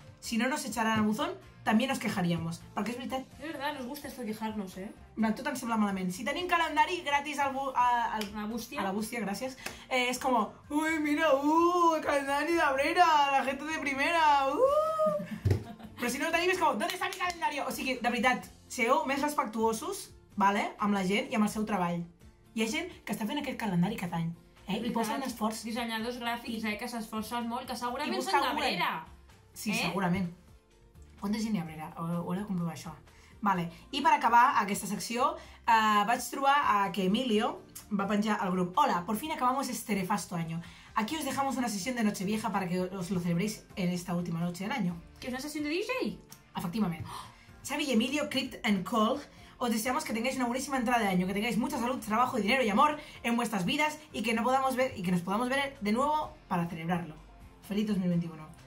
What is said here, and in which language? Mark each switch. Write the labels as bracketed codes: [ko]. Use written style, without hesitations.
[es] Si no nos echaran al buzón, también nos quejaríamos. Porque es verdad. Es verdad, nos gusta esto quejarnos, ¿eh? Mira, tú también se habla malamente. Si tenéis calendario gratis a la bustia, gracias. Es como, uy, mira, el calendario de Abrera, la gente de primera, Pero si no lo tenéis, es como, ¿dónde está mi calendario? [ca] O sigui, de veritat, sigueu més respectuosos, vale, amb la gent i amb el seu treball. Hi ha gent que està fent aquest calendari cada any, eh? I posen esforç. Dissenyadors gràfics, que s'esforcen molt, que segurament són d'Abrera. Sí, segurament. Quanta gent hi ha d'Abrera? Ho heu de comprovar, això. Vale. I per acabar aquesta secció, vaig trobar que Emilio va penjar al grup. [es] Hola, por fin acabamos este nefasto año. Aquí os dejamos una sesión de Nochevieja para que os lo celebréis en esta última noche del año. ¿Qué es una sesión de DJ? Efectivamente. Xavi y Emilio, Crypt and Cole, os deseamos que tengáis una buenísima entrada de año, que tengáis mucha salud, trabajo, dinero y amor en vuestras vidas y que, nos podamos ver de nuevo para celebrarlo. Feliz 2021.